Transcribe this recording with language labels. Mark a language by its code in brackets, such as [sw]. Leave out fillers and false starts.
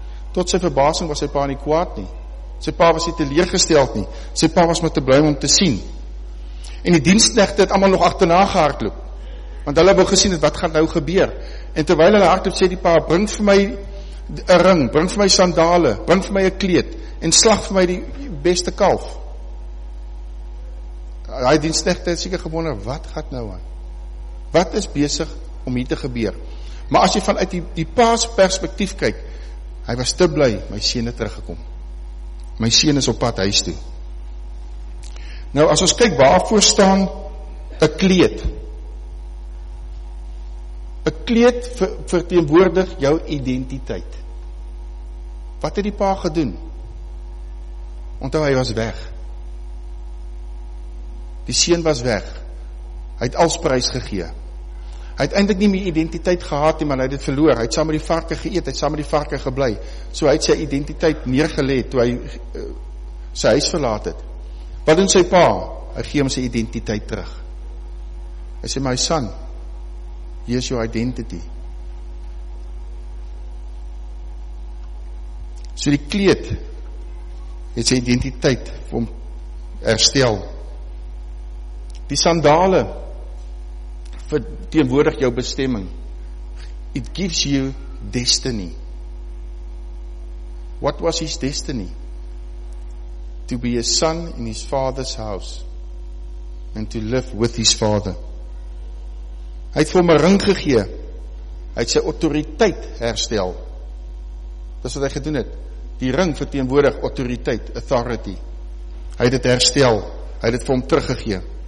[af] Tot sy verbasing was sy pa nie kwaad nie, sy pa was nie teleergesteld nie, sy pa was maar te bly om te sien, en die diensknegte het allemaal nog achterna gehardloop, want hulle wou gesien het, wat gaat nou gebeur, en terwyl hulle hardloop, sê die pa, bring vir my een ring, bring vir my sandale, bring vir my een kleed, en slag vir my die beste kalf. Hy diensknegte het seker gewonder, wat gaat nou aan? Wat is besig om hier te gebeur? Maar as jy vanuit die pa's perspektief kyk, hy was te bly, my seun het teruggekom. My seun is op pad huis toe. Nou, as ons kyk, waarvoor staan een kleed? Een kleed verteenwoordig jou identiteit. Wat het die pa gedoen? Onthou, hy was weg. Die seun was weg. Hy het als prys gegee. Hy het eindelijk nie meer identiteit gehad, maar hy het verloor. Hy het saam met die varke geëet, hy het saam met die varke geblei. So hy het sy identiteit neergelê, toe hy sy huis verlaat het. Wat doen sy pa? Hy gee hom sy identiteit terug. Hy sê, [en] my son, [af] hier is jou identity. So die kleed het sy identiteit vir hom herstel. Die sandale verteenwoordig jou bestemming. [en] It gives you destiny. What was his destiny? To be a son in his father's house and to live with his father. [af] Hy het vir hom 'n ring gegee. Hy het sy autoriteit herstel. Dis wat hy gedoen het. Die ring verteenwoordig autoriteit, authority. Hy het dit herstel. Hy het dit vir hom teruggegee.